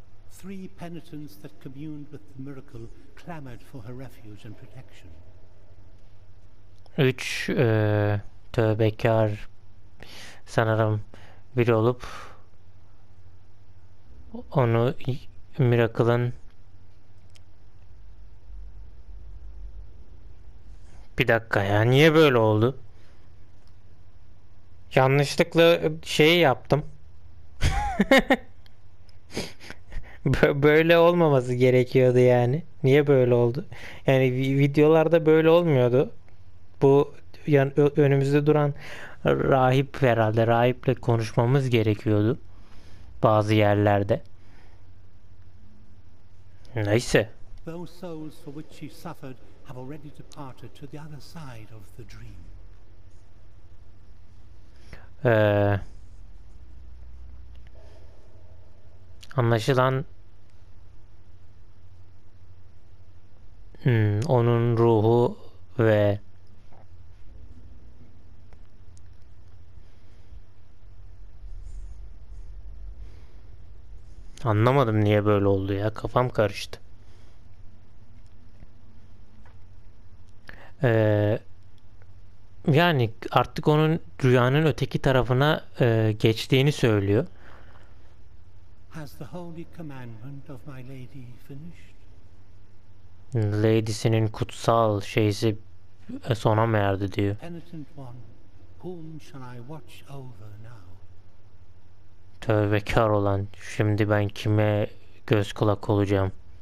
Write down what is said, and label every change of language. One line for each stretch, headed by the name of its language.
English: Three penitents that communed with the miracle clamored for her refuge and protection.
Turkish: Üç tövbekar sanırım biri olup onu Miracle'ın. Bir dakika ya, niye böyle oldu? Yanlışlıkla şeyi yaptım. Böyle olmaması gerekiyordu yani. Niye böyle oldu? Yani videolarda böyle olmuyordu. Bu yani önümüzde duran rahip herhalde. Rahiple konuşmamız gerekiyordu. Bazı yerlerde. Neyse.
English: Those souls for which she suffered have already departed to the other side of the dream.
Turkish: Anlaşılan onun ruhu ve anlamadım niye böyle oldu ya, kafam karıştı. Yani artık onun rüyanın öteki tarafına geçtiğini söylüyor.
English: Has the holy commandment of my lady finished?
Turkish: Lady'sinin kutsal şeysi sona mı erdi diyor.
English: Penitent one, whom shall I watch over now?
Turkish: Tövbekar olan, şimdi ben kime göz kulak olacağım?